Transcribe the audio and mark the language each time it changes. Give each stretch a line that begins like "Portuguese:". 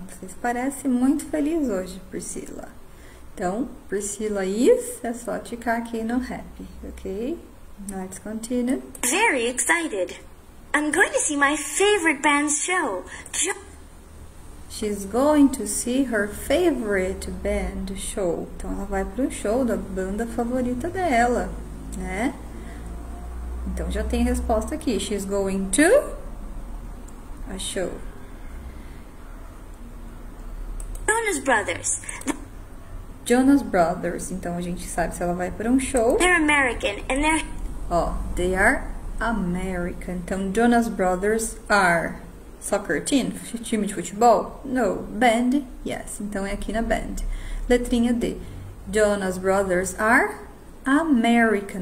Portuguese: Você parece muito feliz hoje, Priscilla. Então,
English: Priscilla is,
Portuguese: é só ticar aqui no happy, ok?
English: Let's continue. Very excited. I'm going to see my favorite band's show. She's going to see her favorite band show.
Portuguese: Então, ela vai para o show da banda favorita dela, né? Então, já tem resposta aqui.
English: She's going to a show. Jonas Brothers. Jonas Brothers.
Portuguese: Então, a gente sabe se ela vai para um show.
English: They're American and they're... Oh, they are American. Então, Jonas Brothers are soccer team?
Portuguese: Time de futebol?
English: No. Band? Yes.
Portuguese: Então, é aqui na band. Letrinha D.
English: Jonas Brothers are American.